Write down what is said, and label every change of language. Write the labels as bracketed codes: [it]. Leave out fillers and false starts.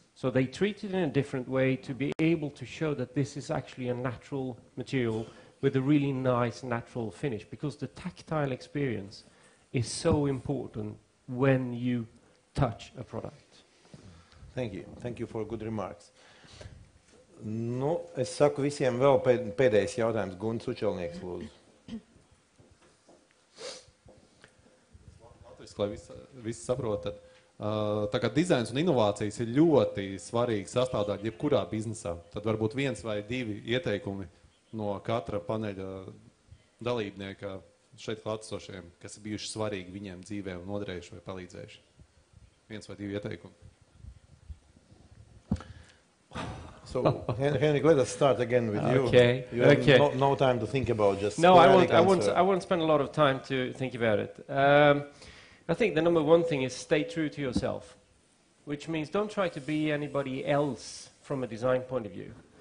[en] So they treat it in a different way to be able to show that this is actually a natural material with a really nice natural finish because the tactile experience is so important when you touch a product. Thank you. Thank you for good remarks. [lv] Nu, es saku visiem vēl pēdējais jautājums, Gunts Učelnieks lūdzu. Latviski, lai visi saprotat, tā kā dizains un inovācijas ir ļoti svarīgi sastāvdaļa jebkurā biznesā, tad varbūt viens vai divi ieteikumi no katra paneļa dalībnieka šeit klātesošiem, kas ir bijuši svarīgi viņiem dzīvē un nodarījuši vai palīdzējuši. Viens vai divi ieteikumi. [en] So, Henrik, let us start again with you. Okay. You have no time to think about just... No, I won't spend a lot of time to think about it. I think the number one thing is stay true to yourself, which means don't try to be anybody else from a design point of view.